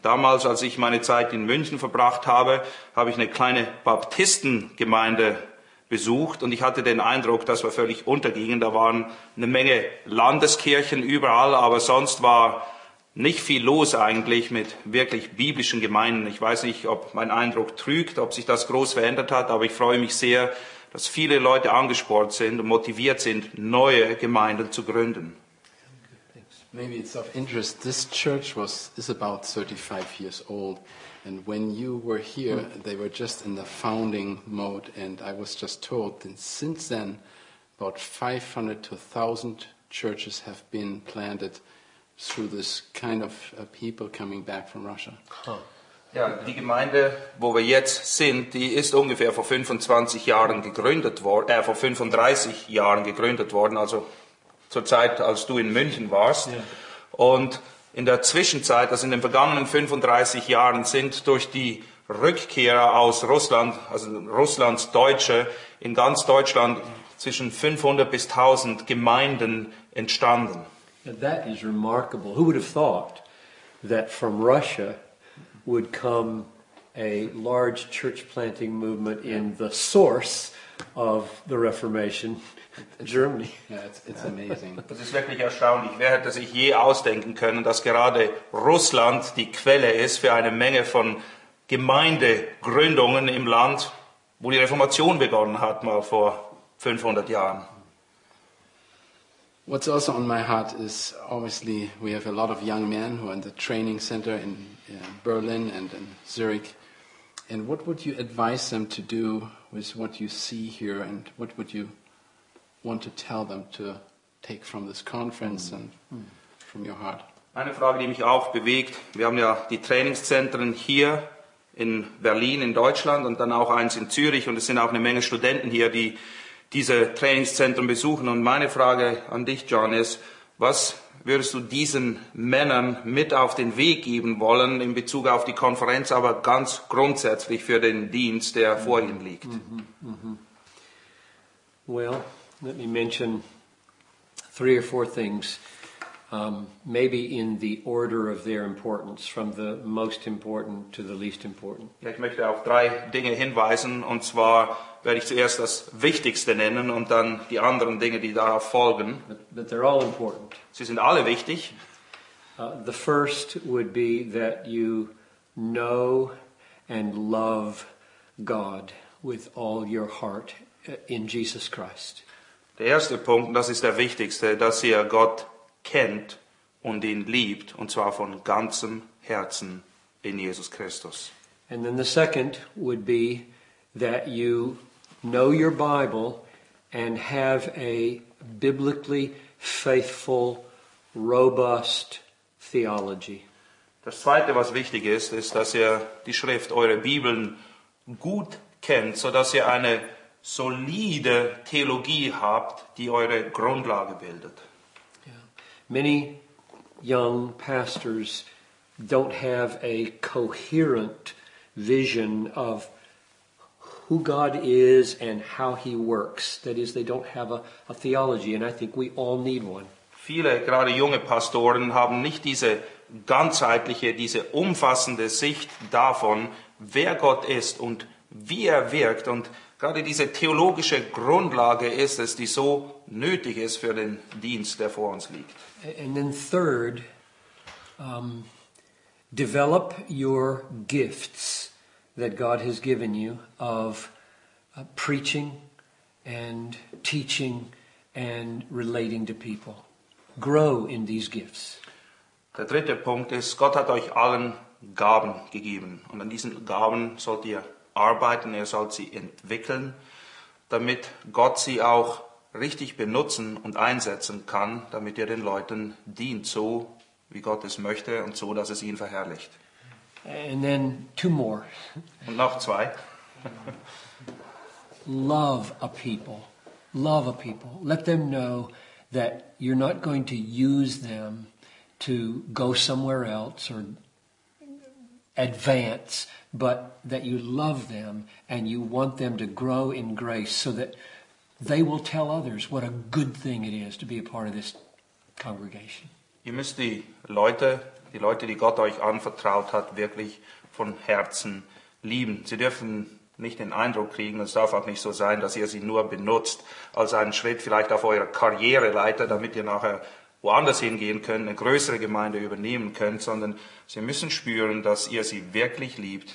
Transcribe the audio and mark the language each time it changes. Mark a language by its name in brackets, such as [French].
[German] Damals, als ich meine Zeit in München verbracht habe, habe ich eine kleine Baptistengemeinde besucht und ich hatte den Eindruck, dass wir völlig untergingen. Da waren eine Menge Landeskirchen überall, aber sonst war nicht viel los eigentlich mit wirklich biblischen Gemeinden. Ich weiß nicht, ob mein Eindruck trügt, ob sich das groß verändert hat, aber ich freue mich sehr, dass viele Leute angespornt sind und motiviert sind, neue Gemeinden zu gründen. [English] Maybe it's of interest. This church is about 35 years old. And when you were here, they were just in the founding mode. And I was just told that since then, about 500 to 1,000 churches have been planted through this kind of people coming back from Russia. Huh. [German] Ja, die Gemeinde, wo wir jetzt sind, die ist ungefähr vor 25 Jahren gegründet worden, vor 35 Jahren gegründet worden, also zur Zeit, als du in München warst. Ja. Und in der Zwischenzeit, also in den vergangenen 35 Jahren, sind durch die Rückkehrer aus Russland, also Russlands Deutsche, in ganz Deutschland zwischen 500 bis 1000 Gemeinden entstanden. [English] Now that is remarkable. Who would have thought that from Russia would come a large church planting movement in the source of the Reformation? Germany. It's amazing. [German] Das ist wirklich erstaunlich. Wer hätte sich je ausdenken können, dass gerade Russland die Quelle ist für eine Menge von Gemeindegründungen im Land, wo die Reformation begonnen hat, mal vor 500 Jahren. [English] What's also on my heart is obviously we have a lot of young men who are in the training center in Berlin and in Zurich. And what would you advise them to do with what you see here and what would you want to tell them to take from this conference and from your heart? [German] Eine Frage, die mich auch bewegt, wir haben ja die Trainingszentren hier in Berlin in Deutschland und dann auch eins in Zürich und es sind auch eine Menge Studenten hier, die diese Trainingszentren besuchen. Und meine Frage an dich, John, ist, was würdest du diesen Männern mit auf den Weg geben wollen in Bezug auf die Konferenz, aber ganz grundsätzlich für den Dienst, der vor ihnen liegt? [English] Well, let me mention three or four things, maybe in the order of their importance, from the most important to the least important. [German] Ja, ich möchte auf drei Dinge hinweisen, und zwar werde ich zuerst das Wichtigste nennen und dann die anderen Dinge, die darauf folgen. [English] But they're all important. [German] Sie sind alle wichtig. [English] The first would be that you know and love God with all your heart in Jesus Christ. [German] Der erste Punkt, das ist der wichtigste, dass ihr Gott kennt und ihn liebt, und zwar von ganzem Herzen in Jesus Christus. [English] And then the second would be that you know your Bible and have a biblically faithful, robust theology. [German] Das zweite, was wichtig ist, ist, dass ihr die Schrift, eure Bibeln gut kennt, so dass ihr eine solide Theologie habt, die eure Grundlage bildet. Yeah. [English] Many young pastors don't have a coherent vision of who God is and how he works. That is, they don't have a theology, and I think we all need one. [German] Viele, gerade junge Pastoren, haben nicht diese ganzheitliche, diese umfassende Sicht davon, wer Gott ist und wie er wirkt. Und gerade diese theologische Grundlage ist es, die so nötig ist für den Dienst, der vor uns liegt. [English] And then third, develop your gifts that God has given you of preaching and teaching and relating to people. Grow in these gifts. [German] Der dritte Punkt ist, Gott hat euch allen Gaben gegeben. Und an diesen Gaben sollt ihr arbeiten, ihr sollt sie entwickeln, damit Gott sie auch richtig benutzen und einsetzen kann, damit ihr den Leuten dient, so wie Gott es möchte und so, dass es ihn verherrlicht. [English] And then two more. [German] Und noch zwei. [English] Love a people. Love a people. Let them know that you're not going to use them to go somewhere else or advance, but that you love them and you want them to grow in grace so that they will tell others what a good thing it is to be a part of this congregation. [German] Ihr müsst die Leute, die Gott euch anvertraut hat, wirklich von Herzen lieben. Sie dürfen nicht den Eindruck kriegen, es darf auch nicht so sein, dass ihr sie nur benutzt als einen Schritt vielleicht auf eurer Karriereleiter, damit ihr nachher woanders hingehen könnt, eine größere Gemeinde übernehmen könnt, sondern sie müssen spüren, dass ihr sie wirklich liebt.